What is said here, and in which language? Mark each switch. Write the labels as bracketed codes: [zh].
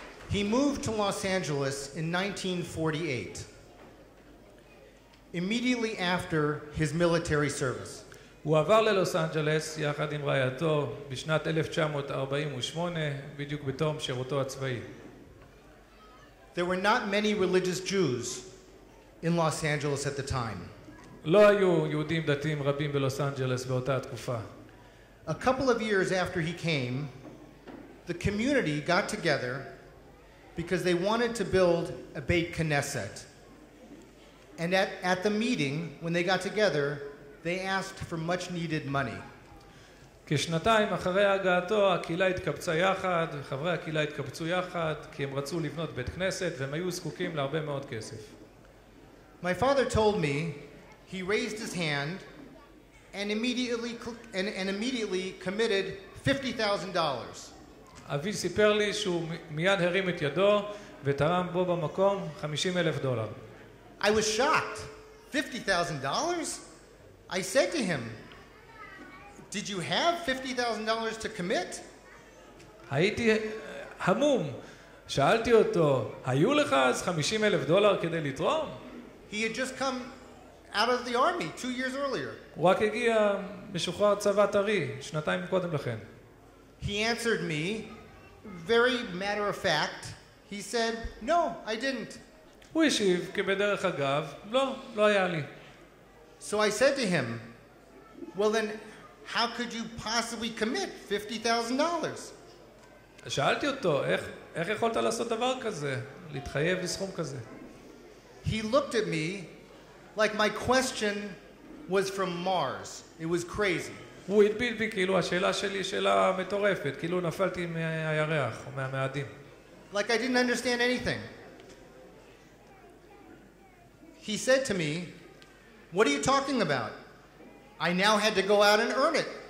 [en] He moved to Los Angeles in 1948, immediately after his military service. [he] הוא עבר ללוס אנג'לס יחד עם רעייתו בשנת 1948, בדיוק בתום שירותו הצבאי. [en] There were not many religious Jews in Los Angeles at the time. [he] לא היו יהודים דתיים רבים בלוס אנג'לס באותה התקופה. [en] A couple of years after he came, the community got together because they wanted to build a Beit Knesset. And at the meeting, when they got together, they asked for much needed money. [he] כשנתיים אחרי הגעתו, הקהילה התקבצה יחד, חברי הקהילה התקבצו יחד, כי הם רצו לבנות בית כנסת, והם היו זקוקים להרבה מאוד כסף. [en] My father told me, he raised his hand and immediately committed $50,000. [he] אבי סיפר לי שהוא מיד הרים את ידו ותרם בו במקום $50,000. [en] I was shocked. $50,000? I said to him, did you have $50,000 to commit? [he] הייתי המום. שאלתי אותו, היו לך אז $50,000 כדי לתרום? [en] He had just come out of the army 2 years earlier. [he] הוא רק הגיע משוחרר צבא טרי, שנתיים קודם לכן. [en] He answered me, very matter of fact, he said, no, I didn't. [he] הוא השיב, כבדרך אגב, לא, לא היה לי. [en] So I said to him, well then, how could you possibly commit $50,000? [he] שאלתי אותו, איך יכולת לעשות דבר כזה, להתחייב לסכום כזה? [en] He looked at me like my question was from Mars. It was crazy. [he] הוא הדביט בי כאילו השאלה שלי שאלה מטורפת, כאילו נפלתי מהירח או מהמאדים. [en] Like I didn't understand anything. He said to me, what are you talking about? I now had to go out and earn it.